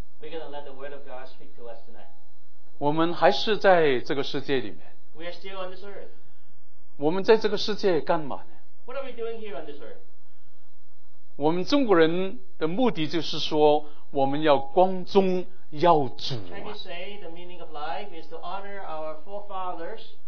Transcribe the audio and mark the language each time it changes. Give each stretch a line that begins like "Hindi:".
English: We're going to let the word of God speak to us tonight.
Chinese: 我们还是在这个世界里面。
English: We are still on this earth.
Chinese: 我们在这个世界干嘛呢？
English: What are we doing here on this earth?
Chinese: 我们中国人的目的就是说，我们要光宗耀祖。
English: Can you say the meaning of life is to honor our forefathers?